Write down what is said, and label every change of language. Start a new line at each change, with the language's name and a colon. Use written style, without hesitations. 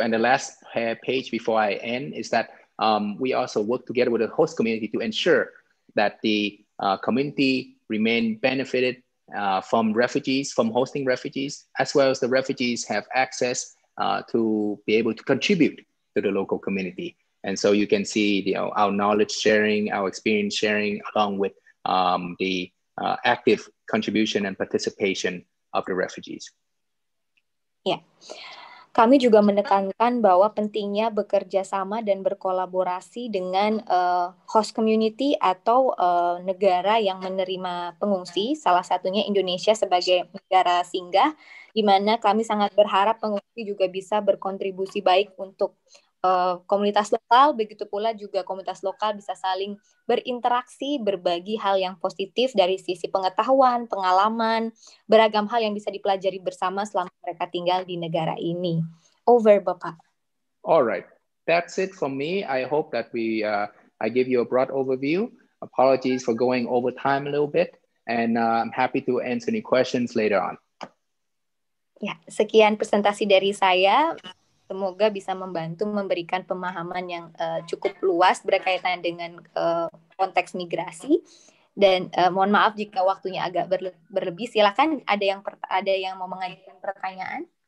English: And the last page before I end is that we also work together with the host community to ensure that the community remain benefited from refugees, from hosting refugees, as well as the refugees have access to be able to contribute to the local community. And so you can see our knowledge sharing, our experience sharing, along with the active contribution and participation of the refugees. Yeah.
Indonesian: Kami juga menekankan bahwa pentingnya bekerja sama dan berkolaborasi dengan host community atau negara yang menerima pengungsi, salah satunya Indonesia sebagai negara singgah, di mana kami sangat berharap pengungsi juga bisa berkontribusi baik untuk komunitas lokal, begitu pula juga komunitas lokal bisa saling berinteraksi, berbagi hal yang positif dari sisi pengetahuan, pengalaman, beragam hal yang bisa dipelajari bersama selama mereka tinggal di negara ini. Over, Bapak.
English: All right, that's it from me. I hope that I give you a broad overview. Apologies for going over time a little bit, and I'm happy to answer any questions later on.
Indonesian: Ya, sekian presentasi dari saya. Semoga bisa membantu memberikan pemahaman yang cukup luas berkaitan dengan konteks migrasi. Dan mohon maaf jika waktunya agak berlebih. Silakan ada yang mau mengajukan pertanyaan.